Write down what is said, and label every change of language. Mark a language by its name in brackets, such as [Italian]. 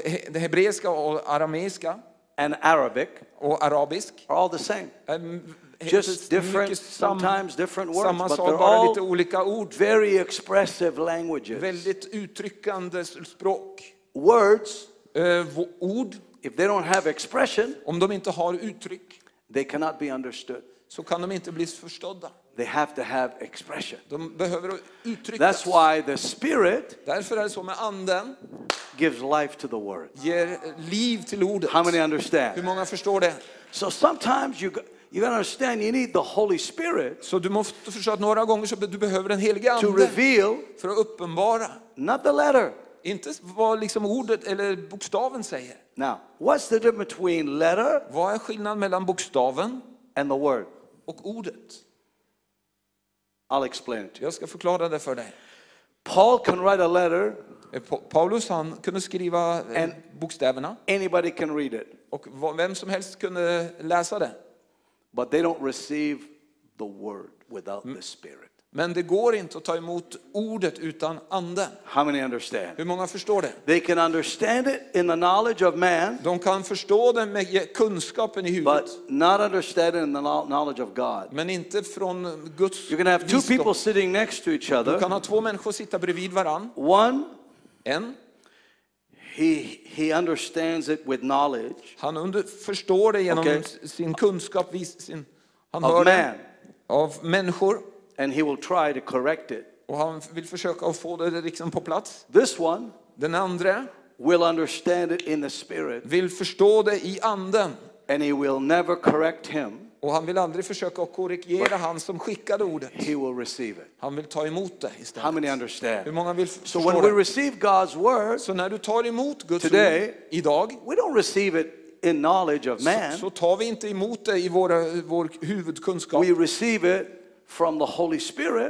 [Swedish] Det hebreiska och arameiska. [English] And Arabic. [Swedish] Och arabisk. [English] Are all the same. Just different, sometimes different words, [Swedish] samma sak, but bara lite olika ord. [English] Very expressive languages. [Swedish] Väldigt uttryckande språk. [English] Words. [Swedish] Ord, [English] if they don't have expression, [Swedish] om de inte har uttryck, [English] they cannot be understood. [Swedish] Så kan de inte bli förstådda. [English] They have to have expression. [Swedish] De behöver uttryckas. [English] That's why the spirit, [Swedish] därför är det så med anden, [English] gives life to the word. [Swedish] Ger liv till ordet. [English] How many understand? [Swedish] Hur många förstår det? [English] So sometimes you gotta understand you need the Holy Spirit. [Swedish] Så du måste förstå att några gånger så du behöver den helige ande [English] to reveal, [Swedish] för att uppenbara. [English] Not the letter. [Swedish] Inte vad liksom ordet eller bokstaven säger. [English] Now, what's the difference between letter? [Swedish] Vad är skillnaden mellan bokstaven [English] and the word? [Swedish] Och ordet. [English] I'll explain it. [Swedish] Jag ska förklara det för dig. [English] Paul can write a letter. [Swedish] Paulus han kunde skriva bokstäverna. [English] Anybody can read it. [Swedish] Och vem som helst kunde läsa det. [English] But they don't receive the word without the spirit. [Swedish] Men det går inte att ta emot ordet utan anden. [English] How many understand? [Swedish] Hur många förstår det? [English] They can understand it in the knowledge of man. [Swedish] De kan förstå det med kunskapen i huvudet. [English] But not understand it in the knowledge of God. [Swedish] Men inte från Guds. [English] You can have two people sitting next to each other. [Swedish] Du kan ha två människor sitta bredvid varann. [English] One, [Swedish] en. [English] He understands it with knowledge. [Swedish] Han förstår det genom sin kunskap, han hör man. Av människor. [English] And he will try to correct it. [Swedish] Och han vill försöka få det liksom på plats. [English] This one, [Swedish] den andra, [English] will understand it in the spirit. [Swedish] Vill förstå det i anden. [English] And he will never correct him. [Swedish] Och han vill aldrig försöka korrigera han som skickade ordet. [English] He will receive it. [Swedish] Han vill ta emot det istället. [English] How many understand? [Swedish] Hur många vill förstå? [English] So when we receive God's word, [Swedish] så när du tar emot Guds [English] today, [Swedish] ord idag, [English] we don't receive it in knowledge of man. [Swedish] Så tar vi inte emot det i vår huvudkunskap. [English] We receive it from the Holy Spirit.